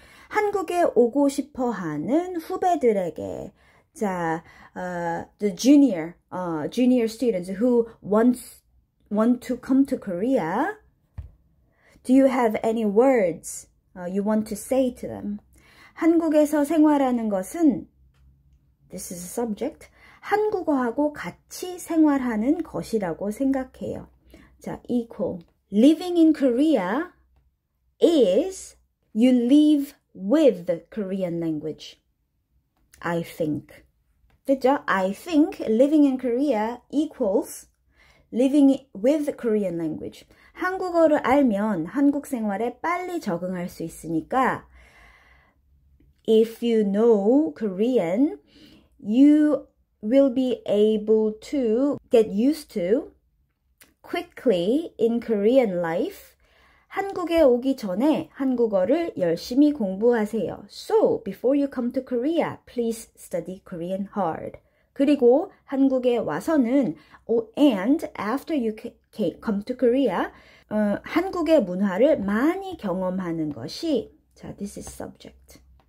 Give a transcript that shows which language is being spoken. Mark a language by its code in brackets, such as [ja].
[ko] 한국에 오고 싶어 하는 후배들에게, 자, [en] the junior students who want to come to Korea, do you have any words you want to say to them? [ko] 한국에서 생활하는 것은 [en] This is a subject. [ko] 한국어하고 같이 생활하는 것이라고 생각해요. 자, [en] equal. Living in Korea is you live with the Korean language. I think. [ko] 됐죠? [en] I think living in Korea equals living with Korean language. [ko] 한국어를 알면 한국 생활에 빨리 적응할 수 있으니까, [en] if you know Korean, you will be able to get used to quickly in Korean life. [ko] 한국에 오기 전에 한국어를 열심히 공부하세요. [en] So, before you come to Korea, please study Korean hard. [ko] 그리고 한국에 와서는, [en] and after you come to Korea, [ko] 한국의 문화를 많이 경험하는 것이, 자, [en] this is subject.